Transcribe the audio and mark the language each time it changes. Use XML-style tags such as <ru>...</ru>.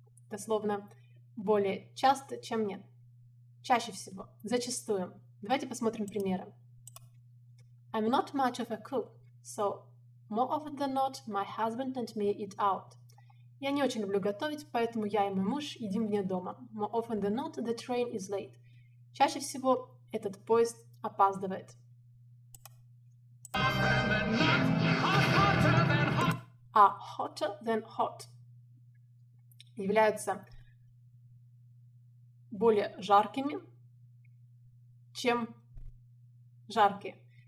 <ru>Дословно, более часто, чем нет. Чаще всего, зачастую. Давайте посмотрим примеры.</ru> <en>I'm not much of a cook, so more often than not, my husband and me eat out.</en> <ru>Я не очень люблю готовить, поэтому я и мой муж едим вне дома.</ru> <en>More often than not, the train is late.</en> <ru>Чаще всего этот поезд опаздывает.</ru> <en>Are hotter than hot.</en> <ru>Являются более жаркими, чем жаркие.</ru>